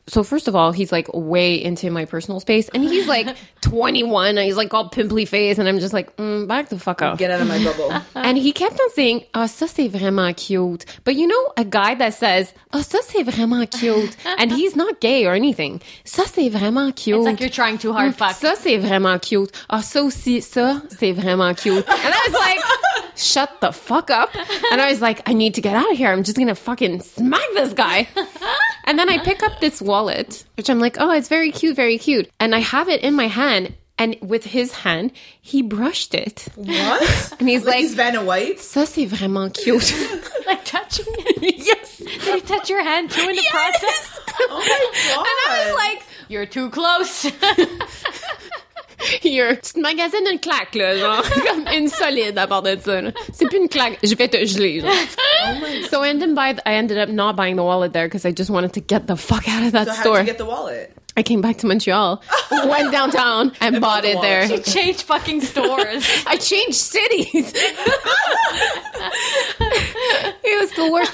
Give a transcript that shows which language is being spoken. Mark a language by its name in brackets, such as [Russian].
[English] So first of all, he's like way into my personal space, and he's like 21, and he's like all pimply face, and I'm just like, back the fuck up, get out of my bubble. And he kept on saying, "Oh, ça c'est vraiment cute." But you know, a guy that says, [French] "Oh, ça c'est vraiment cute," [English] and he's not gay or anything, [French] "Ça c'est vraiment cute." [English] It's like you're trying too hard, fuck. [French] "Ça c'est vraiment cute." "Oh, ça aussi, ça c'est vraiment cute." [English] And I was like, shut the fuck up. And I was like, I need to get out of here. I'm just gonna fucking smack this guy. And then I pick up this wallet, which I'm like, oh, it's very cute, very cute. And I have it in my hand, and with his hand, he brushed it. What? And he's like he's Vanna White? [French] Ça, c'est vraiment cute. [English] Like touching it? Yes. Did he touch your hand too in the process? Oh my God. And I was like, you're too close. [French] Here, tu te magasines une claque, là, genre, comme une solide à part de ça. C'est plus une claque, je vais te geler, genre. [English] Oh my. So I ended up not buying the wallet there because I just wanted to get the fuck out of that store. So how did you get the wallet? I came back to Montreal, went downtown, and bought it there. She changed fucking stores. I changed cities. It was the worst.